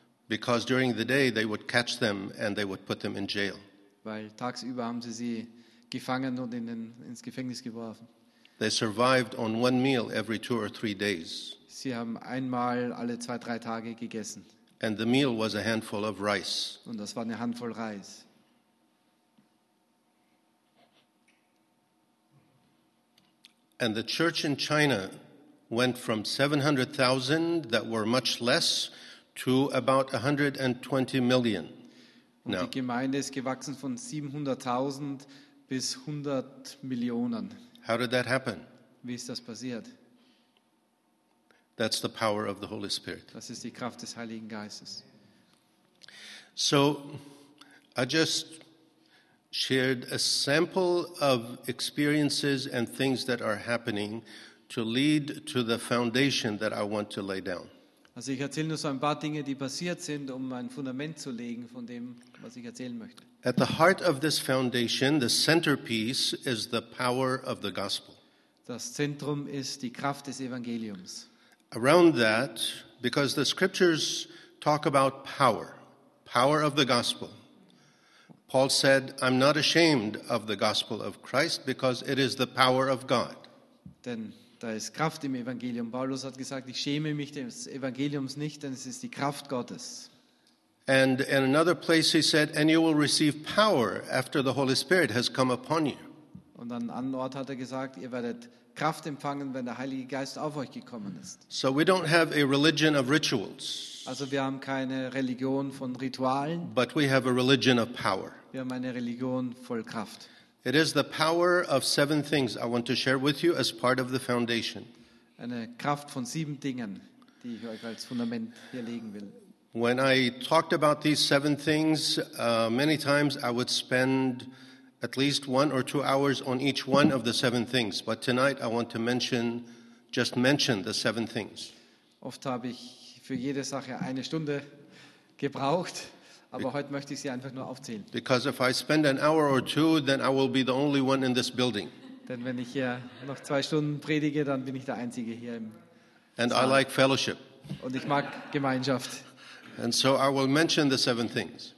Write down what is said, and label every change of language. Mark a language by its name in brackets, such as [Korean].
[English] Because during the day they would catch them and they would put them in jail. [German] Weil tagsüber haben sie gefangen und ins Gefängnis geworfen. [English] They survived on one meal every two or three days. [German] Sie haben einmal alle zwei, drei Tage gegessen. [English] And the meal was a handful of rice. [German] Und das war eine Handvoll Reis. [English] And the church in China went from 700,000 that were much less to about 120 million. [German] Und die Gemeinde ist gewachsen von 700,000 bis 100 Millionen. [English] How did that happen? [German] Wie ist das passiert? [English] That's the power of the Holy Spirit. [German] Das ist die Kraft des Heiligen Geistes. [English] So, I just shared a sample of experiences and things that are happening to lead to the foundation that I want to lay down. [German] Also ich erzähle nur so ein paar Dinge, die passiert sind, um ein Fundament zu legen von dem, was ich erzählen möchte. [English] At the heart of this foundation, the centerpiece is the power of the gospel. [German] Das Zentrum ist die Kraft des Evangeliums. [English] Around that, because the scriptures talk about power of the gospel. Paul said, I'm not ashamed of the gospel of Christ because it is the power of God. [German] Denn da ist Kraft im Evangelium. Paulus hat gesagt, ich schäme mich des Evangeliums nicht, denn es ist die Kraft Gottes. [English] And in another place he said, and you will receive power after the Holy Spirit has come upon you. [German] Und an anderen Ort hat gesagt, ihr werdet Kraft empfangen, wenn der Heilige Geist auf euch gekommen ist. [English] So we don't have a religion of rituals. [German] Also wir haben keine Religion von Ritualen. [English] But we have a religion of power. [German] Wir haben eine Religion voll Kraft. [English] It is the power of seven things I want to share with you as part of the foundation. [German] Eine Kraft von sieben Dingen, die ich euch als Fundament hier legen will. [English] When I talked about these seven things, many times I would spend at least 1 or 2 hours on each one of the seven things. But tonight I want to mention the seven things. [German] Oft habe ich für jede Sache eine Stunde gebraucht, aber heute möchte ich sie einfach nur aufzählen. [English] Because if I spend an hour or two, then I will be the only one in this building. [German] Denn wenn ich hier noch zwei Stunden predige, dann bin ich der Einzige hier im [English] And [German] Saal. [English] I like fellowship. [German] Und ich mag Gemeinschaft. [English] And so I will mention the seven things.